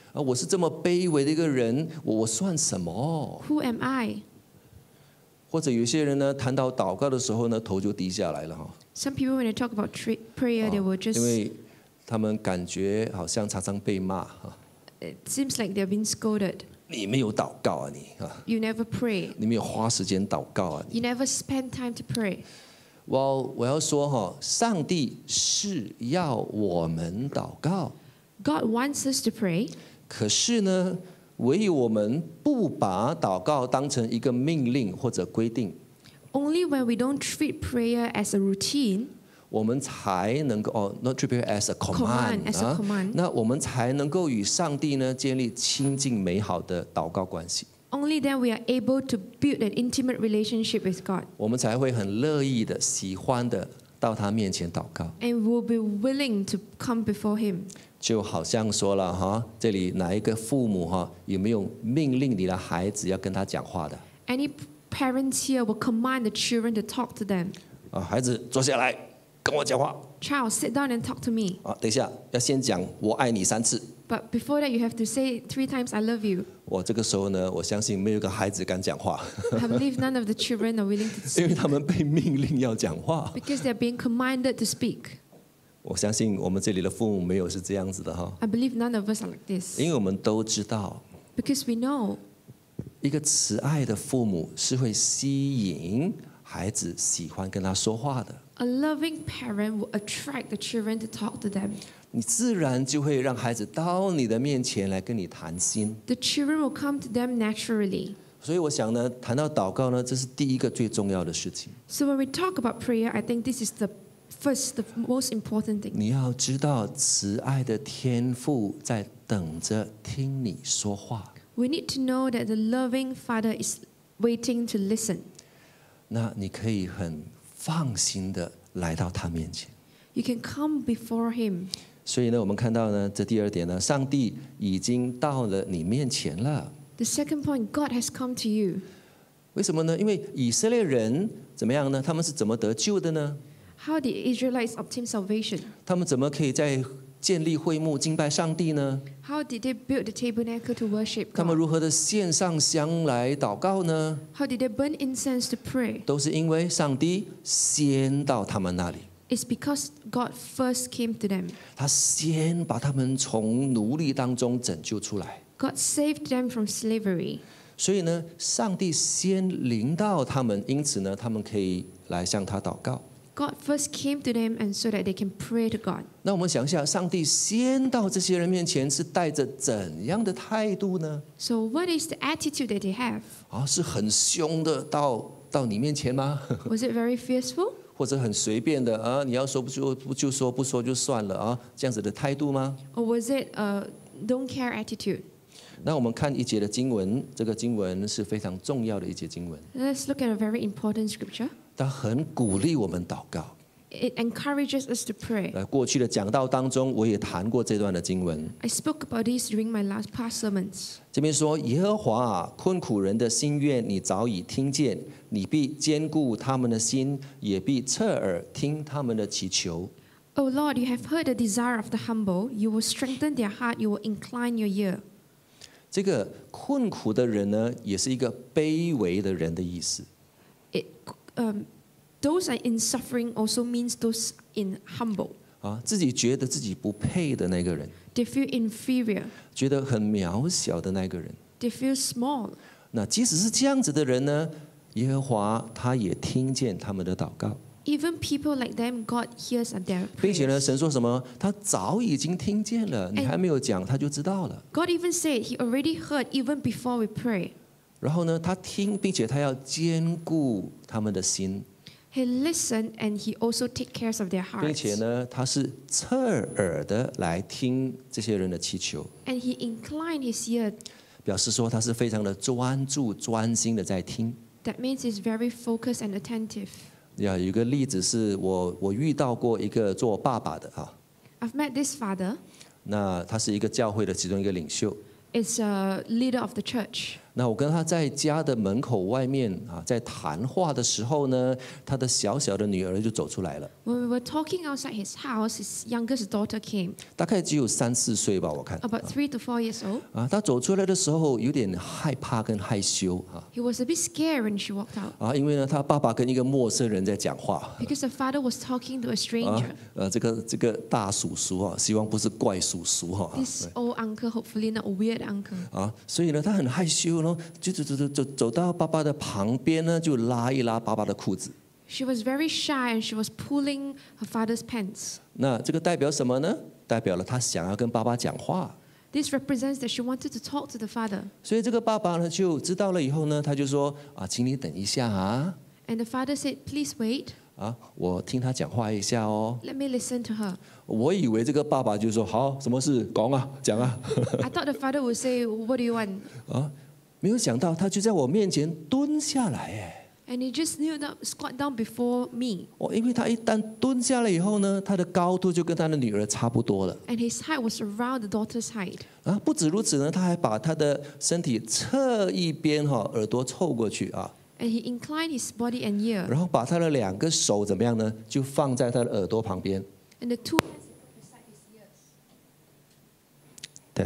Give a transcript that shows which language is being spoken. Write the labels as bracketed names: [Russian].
[Chinese] 我是这么卑微的一个人，我算什么 [English] ？Who am I？ [Chinese] 或者有些人呢，谈到祷告的时候呢，头就低下来了。 [English] Some people when they talk about prayer, they will just [Chinese] 因为他们感觉好像常常被骂。 [English] it seems like they've been scolded. [Chinese] 你没有祷告啊，你啊。 [English] You never pray. [Chinese] 你没有花时间祷告啊。 [English] You never spend time to pray. [Chinese] Well, 我要说哈，上帝是要我们祷告。 [English] God wants us to pray. [Chinese] 可是呢，唯有我们不把祷告当成一个命令或者规定。 [English] Only when we don't treat prayer as a routine. [Chinese] 我们才能够 [English] not treat prayer as a command, as a command. [Chinese] 那我们才能够与上帝呢建立亲近美好的祷告关系。 [English] Only then we are able to build an intimate relationship with God. [Chinese] 我们才会很乐意的、喜欢的到他面前祷告。 [English] And we'll be willing to come before Him. [Chinese] 就好像说了哈，这里哪一个父母哈有没有命令你的孩子要跟他讲话的 [English] ？Any parents here will command the children to talk to them. [Chinese] 啊，孩子坐下来。跟我讲话。 [English] Charles, sit down and talk to me. [Chinese] 啊，等一下，要先讲我爱你三次。 [English] But before that, you have to say three times I love you. [Chinese] 我这个时候呢，我相信没有一个孩子敢讲话。 [English] I believe none of the children are willing to speak. [Chinese] 因为他们被命令要讲话。 [English] Because they're being commanded to speak. [Chinese] 我相信我们这里的父母没有是这样子的哈。 [English] I believe none of us are like this. [Chinese] 因为我们都知道。 [English] Because we know. [Chinese] 一个慈爱的父母是会吸引孩子喜欢跟他说话的。 [English] A loving parent will attract the children to talk to them. [Chinese] 你自然就会让孩子到你的面前来跟你谈心。 [English] The children will come to them naturally. [Chinese] 所以我想呢，谈到祷告呢，这是第一个最重要的事情。 [English] So when we talk about prayer, I think this is the first, the most important thing. [Chinese] 你要知道，慈爱的天父在等着听你说话。 [English] We need to know that the loving Father is waiting to listen. [Chinese] 那你可以很。放心的来到他面前。 [English] You can come before him. [Chinese] 所以呢，我们看到呢，这第二点呢，上帝已经到了你面前了。 [English] The second point, God has come to you. [Chinese] 为什么呢？因为以色列人怎么样呢？他们是怎么得救的呢 [English] ？How did Israelites obtain salvation? [Chinese] 他们怎么可以在建立会幕敬拜上帝呢 [English] ？How did they build the tabernacle to worship God? [Chinese] 他们如何的献上香来祷告呢 [English] ？How did they burn incense to pray? [Chinese] 都是因为上帝先到他们那里。 [English] It's because God first came to them. [Chinese] 他先把他们从奴隶当中拯救出来。 [English] God saved them from slavery. [Chinese] 所以呢，上帝先临到他们，因此呢，他们可以来向他祷告。 [English] God first came to them and so that they can pray to God. [Chinese] 那我们想一下，上帝先到这些人面前是带着怎样的态度呢 [English] ？So what is the attitude that they have? [Chinese] 啊，是很凶的到你面前吗 [English] ？Was it very fearful? [Chinese] 或者很随便的啊？你要说不就说，不说就算了啊？这样子的态度吗 [English] ？Or was it a don't care attitude? [Chinese] 那我们看一节的经文，这个经文是非常重要的一节经文。 [English] Let's look at a very important scripture. [Chinese] 他很鼓励我们祷告。 [English] It encourages us to pray. [Chinese] 过去的讲道当中，我也谈过这段的经文。 [English] I spoke about this during my last past sermons. [Chinese] 这边说，耶和华啊，困苦人的心愿你早已听见，你必坚固他们的心，也必侧耳听他们的祈求。 [English] O Lord, you have heard the desire of the humble. You will strengthen their heart. You will incline your ear. [Chinese] 这个困苦的人呢，也是一个卑微的人的意思。 [English] Those are in suffering also means those in humble. [Chinese] 啊，自己觉得自己不配的那个人。 [English] They feel inferior. [Chinese] 觉得很渺小的那个人。 [English] They feel small. [Chinese] 那即使是这样子的人呢，耶和华他也听见他们的祷告。 [English] Even people like them, God hears their prayers. [Chinese] 并且呢，神说什么？他早已经听见了，你还没有讲，他就知道了。 [English] God even said he already heard even before we pray. [Chinese] 然后呢，他听，并且他要坚固他们的心。 [English] He listened and he also take care of their hearts. [Chinese] 并且呢，他是侧耳的来听这些人的祈求。 [English] And he inclined his ear. [Chinese] 表示说他是非常的专注、专心的在听。 [English] That means he's very focused and attentive. [Chinese] 有一个例子是我遇到过一个做爸爸的啊。 [English] I've met this father. [Chinese] 那他是一个教会的其中一个领袖。 [English] It's a leader of the church. [Chinese] 那我跟他在家的门口外面啊，在谈话的时候呢，他的小小的女儿就走出来了。 [English] When we were talking outside his house, his youngest daughter came. [Chinese] 大概只有三四岁吧，我看。 [English] About 3 to 4 years old. [Chinese] 啊，他走出来的时候有点害怕跟害羞啊。 [English] He was a bit scared when she walked out. [Chinese] 啊，因为呢，他爸爸跟一个陌生人在讲话。 [English] Because the father was talking to a stranger. [Chinese] 这个大叔叔啊，希望不是怪叔叔哈。 [English] This old uncle, hopefully not a weird uncle. [Chinese] 啊，所以呢，他很害羞。走到爸爸的旁边呢，就拉一拉爸爸的裤子。 [English] She was very shy and she was pulling her father's pants. [Chinese] 那这个代表什么呢？代表了他想要跟爸爸讲话。 [English] This represents that she wanted to talk to the father. [Chinese] 所以这个爸爸呢，就知道了以后呢，他就说啊，请你等一下啊。 [English] And the father said, please wait. [Chinese] 啊，我听他讲话一下哦。 [English] Let me listen to her. [Chinese] 我以为这个爸爸就说好，什么事讲啊，讲啊。 [English] I thought the father would say, what do you want? [Chinese] 啊。没有想到，他就在我面前蹲下来哎。 [English] And he just kneeled up, squat down before me. [Chinese] 哦，因为他一旦蹲下了以后呢，他的高度就跟他的女儿差不多了。 [English] And his height was around the daughter's height. [Chinese] 啊，不止如此呢，他还把他的身体侧一边哈，耳朵凑过去啊。 [English] And he inclined his body and ear. [Chinese] 然后把他的两个手怎么样呢？就放在他的耳朵旁边。 [English] And the two hands were beside his ears.